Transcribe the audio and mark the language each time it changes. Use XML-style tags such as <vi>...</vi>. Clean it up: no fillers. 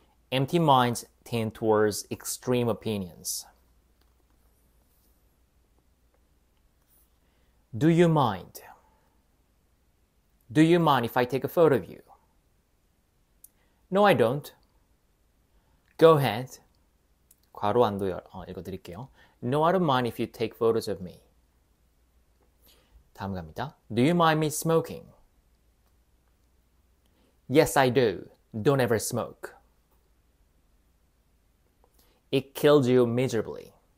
<en>Empty minds tend towards extreme opinions. Do you mind? Do you mind if I take a photo of you? No, I don't. Go ahead.</en> <ko>괄호 안도 읽어드릴게요.</ko> <en>No, I don't mind if you take photos of me.</en> <ko>다음 갑니다.</ko> <en>Do you mind me smoking? Yes, I do. Don't ever smoke. It kills you miserably.</en>